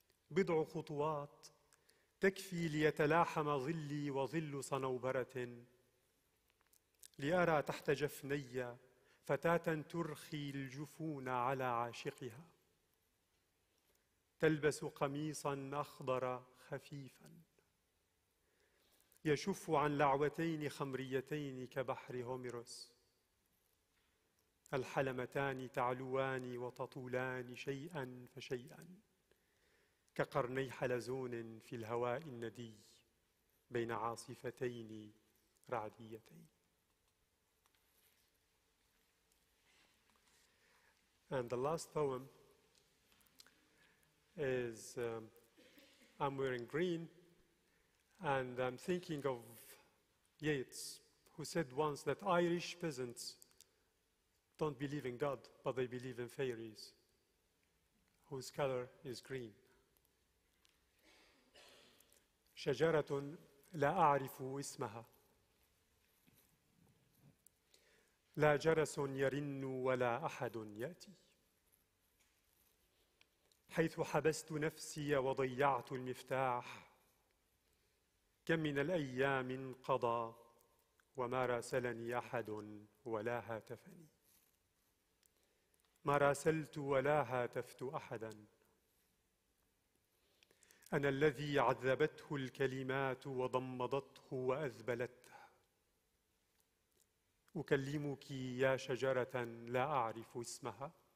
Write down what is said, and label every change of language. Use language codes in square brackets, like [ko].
[ar] بضع خطوات تكفي ليتلاحم ظلي وظل صنوبرة لأرى تحت جفني فتاة ترخي الجفون على عاشقها تلبس قميصا أخضر خفيفا يشف عن لعوتين خمريتين كبحر هوميروس الحلمتان تعلوان وتطولان شيئا فشيئا كقرني حلزون في الهواء الندي بين عاصفتين رعديتين. [en] And the last poem is I'm wearing green, and I'm thinking of Yeats, who said once that Irish peasants don't believe in God, but they believe in fairies, whose color is green. [ar] شجرة لا أعرف اسمها لا جرس يرن ولا أحد يأتي حيث حبست نفسي وضيعت المفتاح كم من الأيام قضى وما راسلني أحد ولا هاتفني ما راسلت ولا هاتفت أحدا أنا الذي عذبته الكلمات وضمضته وأذبلته أكلمك يا شجرة لا أعرف اسمها